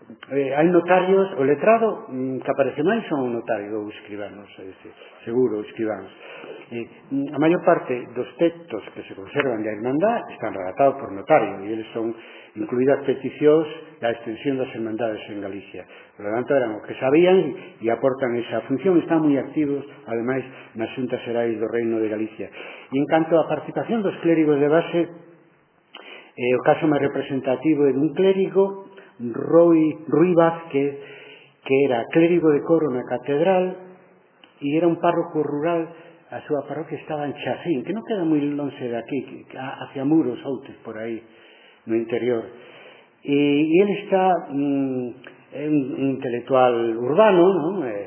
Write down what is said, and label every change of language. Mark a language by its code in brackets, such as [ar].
[gl] Hai notarios, o letrado que aparece máis son o notario ou escribanos, seguro, escribanos. A maior parte dos textos que se conservan da Irmandade están relatados por notario, e eles son incluídas peticións da extensión das Irmandades en Galicia. [es] Por lo tanto, [gl] eran os que sabían e aportan esa función. Están moi activos, ademais, nas Xuntas Xerais do Reino de Galicia. E en canto á participación dos clérigos de base, o caso máis representativo é dun clérigo, Rui Vázquez, que era clérigo de coro na catedral e era un párroco rural. A súa parroquia estaba en Chacín, que non queda moi longe de aquí, hacia Muros, Outes, por aí, no interior. [es] Y él está un intelectual urbano, ¿no?